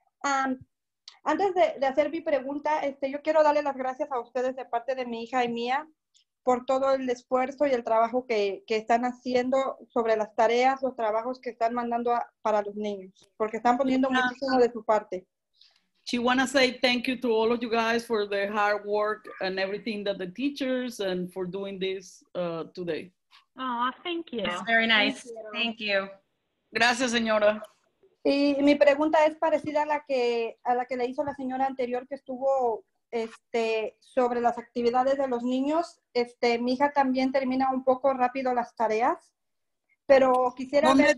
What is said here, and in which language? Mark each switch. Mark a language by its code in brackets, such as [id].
[es] Antes de hacer mi pregunta, yo quiero darle las gracias a ustedes de parte de mi hija y mía por todo el esfuerzo y el trabajo que están haciendo sobre las tareas, los trabajos que están mandando para los niños, porque están poniendo muchísimo de su parte. [en] She wanna say thank you to all of you guys for the hard work and everything that the teachers and for doing this today. Oh, thank you. That's very nice. Thank you. [es] Gracias, señora. Y mi pregunta es parecida a la que le hizo la señora anterior que estuvo sobre las actividades de los niños. Mi hija también termina un poco rápido las tareas, pero quisiera ver.